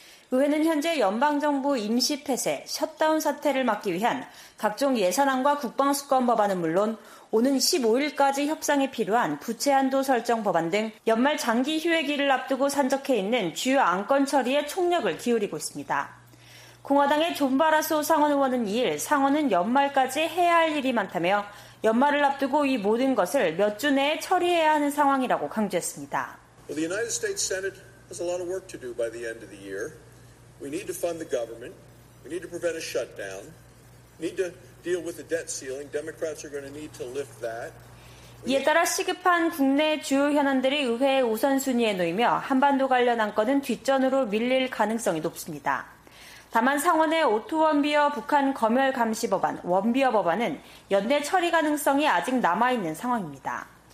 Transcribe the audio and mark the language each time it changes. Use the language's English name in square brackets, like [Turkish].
[Korean] 의회는 현재 연방정부 임시 폐쇄, 셧다운 사태를 막기 위한 각종 예산안과 국방수권 법안은 물론 오는 15일까지 협상이 필요한 부채한도 설정 법안 등 연말 장기 휴회기를 앞두고 산적해 있는 주요 안건 처리에 총력을 기울이고 있습니다. 공화당의 존 바라소 상원 의원은 2일 상원은 연말까지 해야 할 일이 많다며 연말을 앞두고 이 모든 것을 몇 주 내에 처리해야 하는 상황이라고 강조했습니다. [English] The United States Senate has a lot of work to do by the end of the year. We need to fund the government. We need to prevent a shutdown. We need to deal with the debt ceiling. Democrats are going to need to lift that. [Korean] 이에 따라 시급한 국내 주요 현안들이 의회의 우선순위에 놓이며 한반도 관련 안건은 뒷전으로 밀릴 가능성이 높습니다. 다만 상원의 오토원비어 북한 검열 감시 법안, 원비어 법안은 연내 처리 가능성이 아직 남아있는 상황입니다.